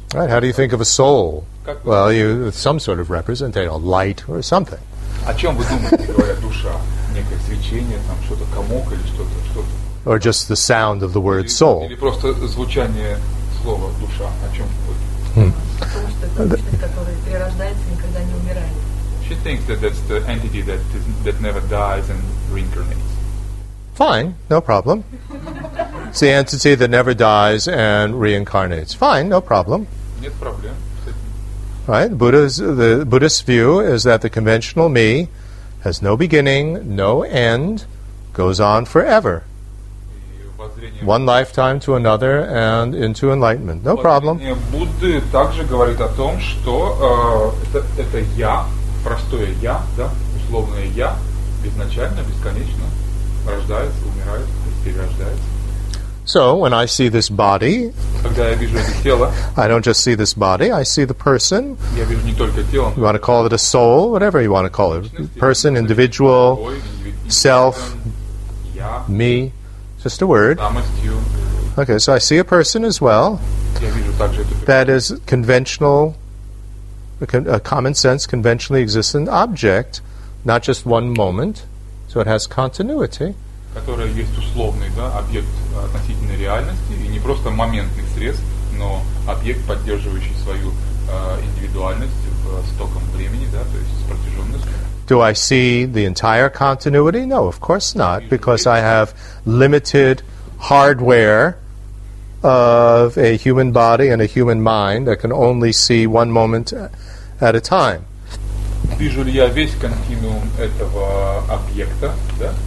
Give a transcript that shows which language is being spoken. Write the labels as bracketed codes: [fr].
[en] Right, how do you think of a soul? Well, you, some sort of representation, a light or something. [ru] О чем вы думаете, говоря душа? Некое свечение, там что-то, комок или что-то, что-то. [en] Or just the sound of the word soul. [ru] Или просто звучание слова душа. О чем вы думаете? Потому что это личность, которая перерождается и никогда не умирает. [en] She thinks that that's the entity that is, that never dies and reincarnates. Fine, no problem. It's the entity that never dies and reincarnates. Fine, no problem. [ru] Нет проблем. [en] Right? Buddha's, the Buddhist view is that the conventional me has no beginning, no end, goes on forever. One lifetime to another and into enlightenment. No problem. [ru] Будды также говорит о том, что это я, простое я, да, условное я, изначально, бесконечно, рождается, умирает, перерождается. [en] So when I see this body, [ru] когда я вижу это тело, [en] I don't just see this body, I see the person. [ru] Я вижу не только тело. [en] You want to call it a soul, whatever you want to call it. Person, individual, self, me, just a word. Okay, so I see a person as well. [ru] Я вижу также эту [en] person. That is conventional, a common sense, conventionally existent object, not just one moment. So it has continuity. [ru] Которая есть условный, да, объект относительно реальности, и не просто моментный срез, но объект, поддерживающий свою индивидуальность с током времени, да, то есть с протяженностью. [en] Do I see the entire continuity? No, of course not, because I have limited hardware of a human body and a human mind that can only see one moment at a time. [ru] Вижу ли я весь континуум этого объекта, да?